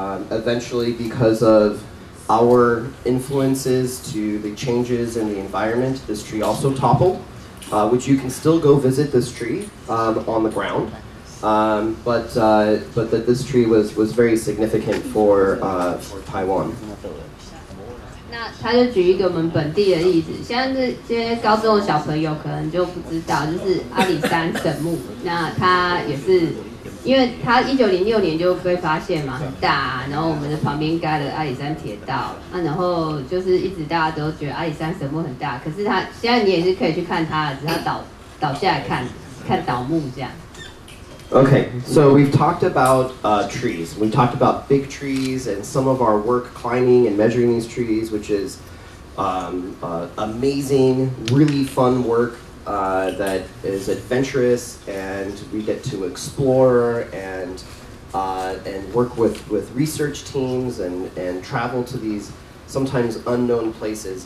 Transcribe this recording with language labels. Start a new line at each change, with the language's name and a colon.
English: Eventually, because of our influences to the changes in the environment, this tree also toppled, which you can still go visit this tree on the ground. But that this tree was very significant for Taiwan.
Chinese: 那他就举一个我们本地的例子，现在这些高中的小朋友可能就不知道，就是阿里山神木。那他也是，因为他1906年就被发现嘛，很大、啊，然后我们的旁边盖了阿里山铁道，那、啊、然后就是一直大家都觉得阿里山神木很大，可是他现在你也是可以去看他，只要倒下来看倒木这样。
English: Okay, so we've talked about trees. We talked about big trees and some of our work climbing and measuring these trees, which is amazing, really fun work that is adventurous, and we get to explore and work with research teams and travel to these sometimes unknown places.